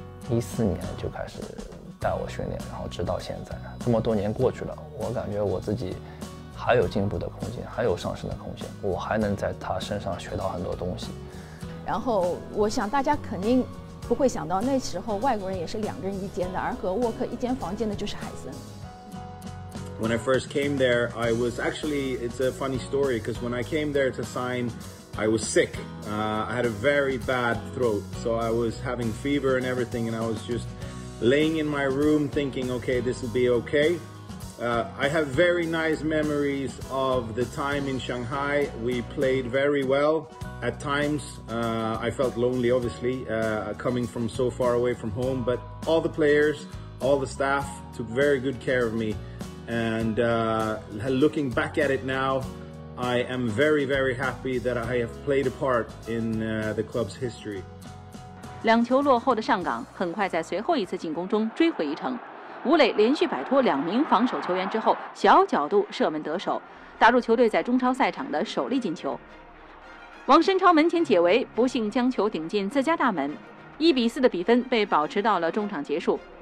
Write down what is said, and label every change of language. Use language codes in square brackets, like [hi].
[zh] 2014年就开始带我训练，然后直到现在这么多年过去了，我感觉我自己还有进步的空间，还有上升的空间，我还能在他身上学到很多东西。然后我想大家肯定不会想到，那时候外国人也是两个人一间的，而和沃克一间房间的就是海森。 [en] When I first came there, I was actually, it's a funny story, because when I came there to sign, I was sick. I had a very bad throat, so I was having fever and everything, and I was just laying in my room thinking, okay, this will be okay. I have very nice memories of the time in Shanghai. We played very well. At times, I felt lonely, obviously, coming from so far away from home, but all the players, all the staff took very good care of me. And looking back at it now, I am very, very happy that I have played a part in the club's history. [zh] 两球落后的上港很快在随后一次进攻中追回一城。吴磊连续摆脱两名防守球员之后，小角度射门得手，打入球队在中超赛场的首粒进球。王申超门前解围，不幸将球顶进自家大门，1-4的比分被保持到了中场结束。